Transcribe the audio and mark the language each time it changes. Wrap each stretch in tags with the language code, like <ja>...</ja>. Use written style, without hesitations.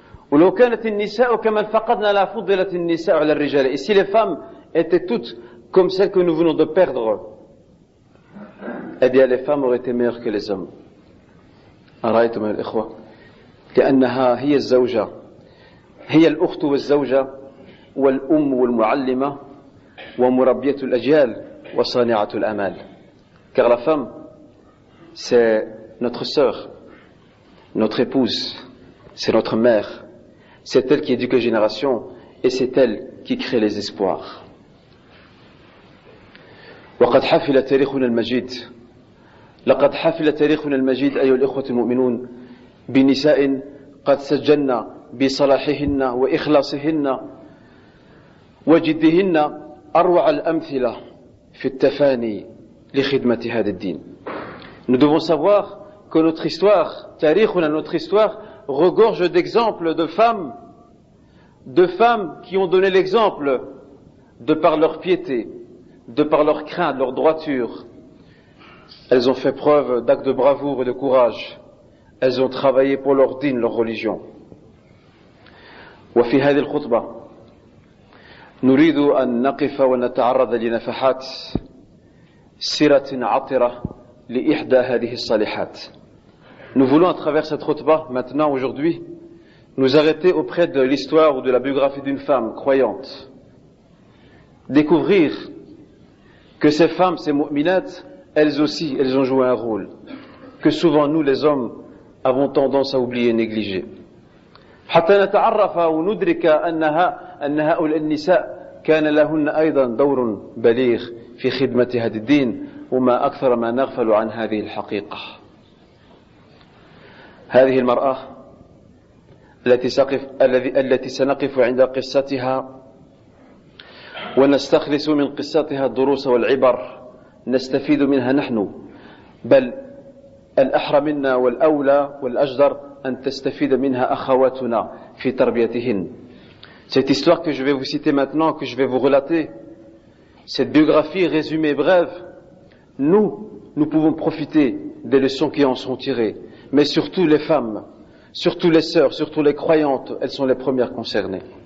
<ar>وَلَوْ كَانَتِ النِّسَاءُ كَمَنْ فَقَدْنَا لَا فُضِّلَتِ النِّسَاءُ عَلَى الرِّجَالِ.</ar> <fr>Et si les femmes étaient toutes comme celles que nous venons de perdre, eh bien, les femmes auraient été meilleures que les hommes.</fr> <ar>أرأيتم يا إخوة؟ لأنها هي الزوجة، هي الأخت والزوجة والأم والمعلمة ومربية الأجيال وصانعة الأمال.</ar> <fr>Car la femme, c'est notre sœur, notre épouse, c'est notre mère, c'est elle qui éduque les générations et c'est elle qui crée les espoirs.</fr> <ar>وقد حفل تاريخنا المجيد. لقد حفل تاريخنا المجيد أيها الإخوة المؤمنون بنساء قد سجلنا بصلاحهن وإخلاصهن وجدهن أروع الأمثلة في التفاني لخدمة هذا الدين.</ar> <fr>Nous devons savoir que notre histoire, tarikhuna, notre histoire regorge d'exemples de femmes qui ont donné l'exemple de par leur piété, de par leur crainte, leur droiture. Elles ont fait preuve d'actes de bravoure et de courage. Elles ont travaillé pour leur dîn, leur religion.</fr> <ar>وفي هذه الخطبة نريد أن نقف ونتعرض لنفحات سيرة عطرة لإحدى هذه الصالحات.</ar> <fr>Nous voulons à travers cette khutba maintenant aujourd'hui nous arrêter auprès de l'histoire ou de la biographie d'une femme croyante. Découvrir que ces femmes, ces mu'minates, elles aussi, elles ont joué un rôle que souvent nous les hommes avons tendance à oublier et négliger.</fr> <ar>حتى نتعرف وندرك أنها أن هؤلاء النساء كان لهن أيضا دور بليغ في خدمة هذا الدين وما أكثر ما نغفل عن هذه الحقيقة. هذه المرأة التي سنقف عند قصتها ونستخلص من قصتها الدروس والعبر نستفيد منها نحن بل الأحرى منا والأولى والأجدر أن تستفيد منها أخواتنا في تربيتهن.</ar> <fr>Cette histoire que je vais vous citer maintenant, que je vais vous relater, cette biographie résumée brève, nous pouvons profiter des leçons qui en sont tirées. Mais surtout les femmes, surtout les sœurs, surtout les croyantes, elles sont les premières concernées.</fr>